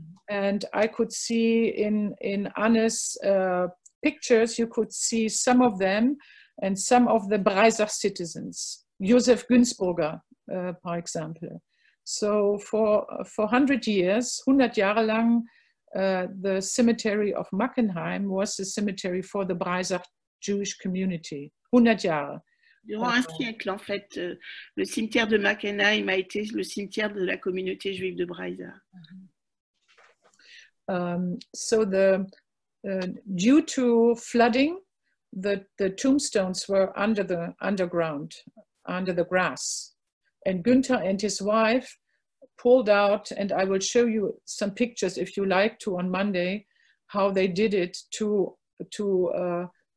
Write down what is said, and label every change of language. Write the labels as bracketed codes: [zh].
[en] And I could see in Anne's pictures, you could see some of them and some of the Breiser citizens, Josef Günzburger, for example. So for 100 years, [de] 100 Jahre lang, [en] the cemetery of Mackenheim was the cemetery for the Breiser Jewish community, [de] 100 Jahre. [fr] Durant un siècle, en fait, le cimetière de Mackenheim a été le cimetière de la communauté juive de Breiser. [en] So the due to flooding, the tombstones were underground, under the grass, and Günther and his wife pulled out, and I will show you some pictures if you like to on Monday, how they did it to